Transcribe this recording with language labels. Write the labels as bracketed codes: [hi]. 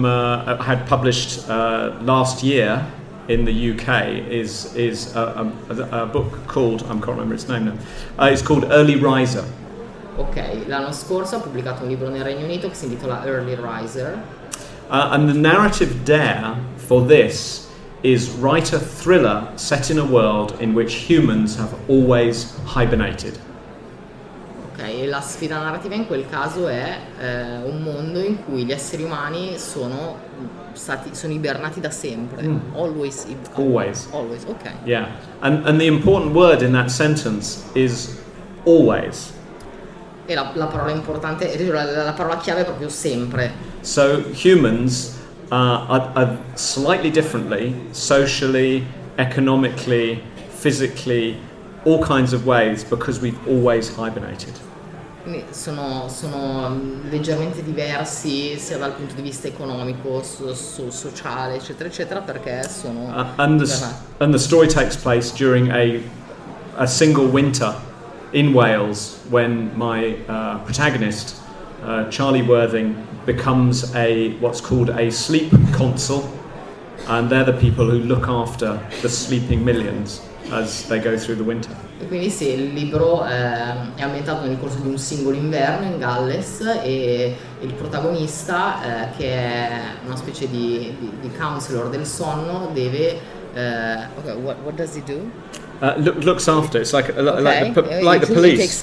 [en] The book I had published last year in the UK is a book called, I can't remember its name now, it's called Early Riser. [it] Ok, l'anno scorso ho pubblicato un libro nel Regno Unito che si intitola Early Riser. [en] And the narrative dare for this is write a thriller set in a world in which humans have always hibernated. [it] Ok, la sfida narrativa in quel caso è un mondo in cui gli esseri umani sono ibernati da sempre. [en] Always. Ok. Yeah. And the important word in that sentence is always. [it] E la parola importante, la parola chiave è proprio sempre. [en] So humans are slightly differently, socially, economically, physically, all kinds of ways, because we've always hibernated. [it] Sono leggermente diversi sia dal punto di vista economico, sociale, eccetera, eccetera, perché sono... [en] And the story takes place during a single winter in Wales, when my protagonist, Charlie Worthing, becomes what's called a sleep consul, and they're the people who look after the sleeping millions as they go through the winter. [it] E quindi sì, il libro è ambientato nel corso di un singolo inverno in Galles, e il protagonista, che è una specie di counselor del sonno, deve... [en] What does he do? Looks after. It's like the police.